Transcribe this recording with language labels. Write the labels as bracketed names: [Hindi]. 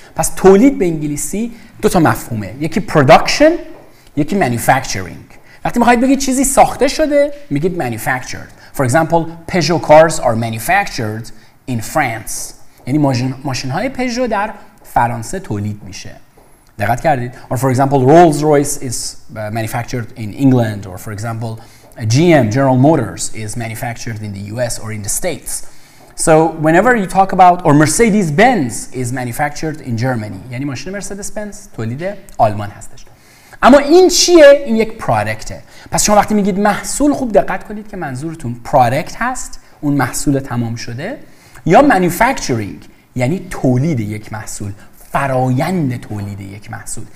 [Persian] پس تولید به انگلیسی دو تا مفهومه، یکی پروداکشن، یکی مانیفکتورینگ. وقتی میخواید بگید چیزی ساخته شده میگید مانیفکتورد. [English] For example, Peugeot cars are manufactured in France. [Persian] یعنی ماشین های پژو در فرانسه تولید میشه. دقت کردید؟ [English] Or for example, Rolls-Royce is manufactured in England. Or for example, GM, General Motors, is manufactured in the US or in the States. So whenever you talk about or Mercedes Benz is manufactured in Germany. [Persian] یعنی ماشین مرسدس بنز تولید آلمان هستش. اما این چیه؟ این یک پرادکته. پس شما وقتی میگید محصول خوب دقت کنید که منظورتون پرادکت هست، اون محصول تمام شده، یا manufacturing یعنی تولید یک محصول، فرایند تولید یک محصول.